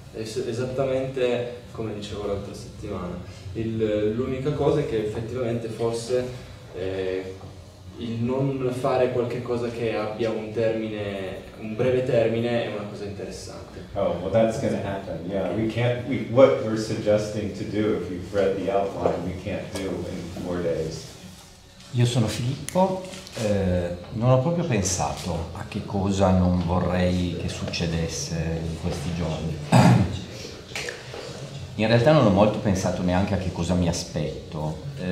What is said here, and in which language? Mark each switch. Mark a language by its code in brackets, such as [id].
[it] Esattamente come dicevo l'altra settimana, l'unica cosa è che effettivamente forse il non fare qualche cosa che abbia un termine, un breve termine, è una cosa interessante. [en] Oh, well, that's going to happen. Yeah, we can't. What we're suggesting to do, if you've read the outline, we can't do in 4 days. [it] Io sono Filippo. Non ho proprio pensato a che cosa non vorrei che succedesse in questi giorni. In realtà non ho molto pensato neanche a che cosa mi aspetto.